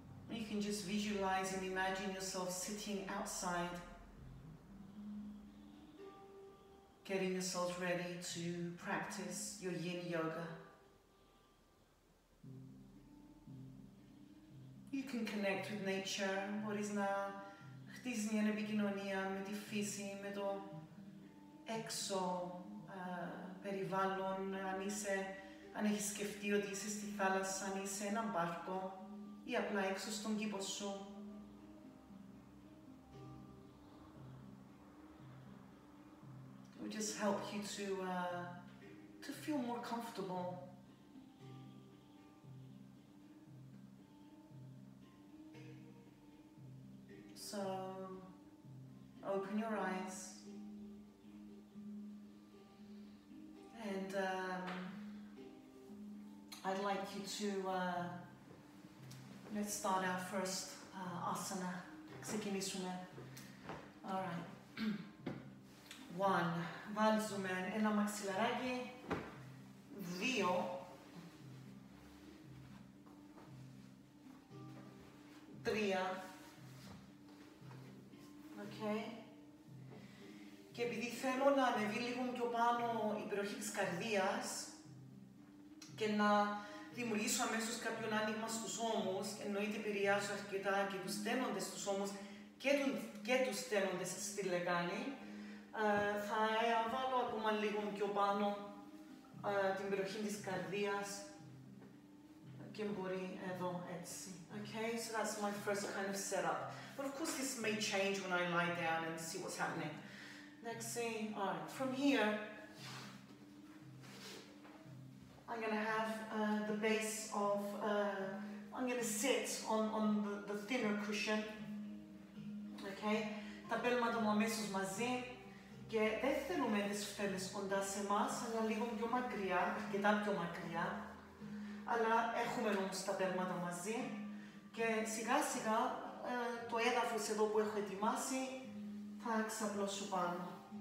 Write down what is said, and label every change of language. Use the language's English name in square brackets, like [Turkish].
[English] You can just visualize and imagine yourself sitting outside, getting yourself ready to practice your yin yoga. You can connect with nature. What is now? [Greek] Χτίζει μια επικοινωνία με τη φύση, με το έξω περιβάλλον. Αν έχεις σκεφτεί ότι είσαι στη θάλασσα, αν είσαι ένα πάρκο ή απλά έξω στον κήπο σου. [English] Just help you to feel more comfortable. So open your eyes and I'd like you to let's start our first asana. Ξεκινήσουμε. All right. [Greek] One, βάζουμε ένα μαξιλαράκι, δύο, τρία, okay. Και επειδή θέλω να ανεβεί λίγο πιο πάνω η περιοχή της καρδίας και να δημιουργήσω αμέσως κάποιον άνοιγμα στους ώμους, εννοείται επηρεάζω αρκετά και τους στένοντες στους ώμους και τους στένοντες στη λεκάνη, θα βάλω ακόμα λίγο πιο πάνω την περιοχή της καρδίας και μπορεί εδώ έτσι. [English] Okay, so that's my first kind of setup. But of course this may change when I lie down and see what's happening. Next thing, all right, from here, I'm gonna have the base of, I'm gonna sit on the thinner cushion, okay? [Greek] Τα πέλματα μου αμέσως μαζί και δεν θέλουμε τις φέλες κοντά σε μας, αλλά λίγο πιο μακριά, αρκετά πιο μακριά. Αλλά έχουμε όμως τα πέλματα μαζί και σιγά σιγά το έδαφος εδώ που έχω ετοιμάσει θα ξαπλώσω πάνω.